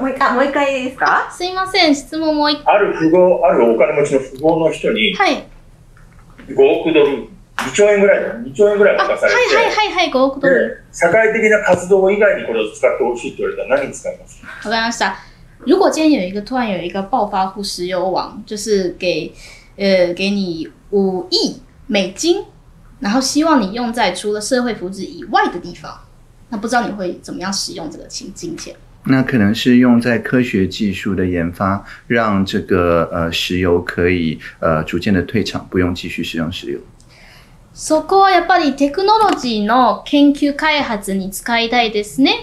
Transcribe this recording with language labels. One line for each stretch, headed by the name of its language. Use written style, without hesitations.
Japanese: もう一回ですか？すいません、質問もう一回。ある富豪、あるお金持ちの富豪の人に、はい、 5億ドル、2兆円ぐらい、2兆円ぐらい渡されて、はい、5億ドル。社会的な活動以外にこれを使ってほしいと言われたら何に使いますか？わかりました。
Chinese: 如果今天有一个突然有一个暴发户石油王，就是给你5亿美金，然后希望你用在除了社会福祉以外的地方，那不知道你会怎么样使用这个金钱？那可能是用在科学技术的研发，让这个石油可以逐渐的退场，不用继续使用石油。
Japanese: そこはやっぱりテクノロジーの研究開発に使いたいですね。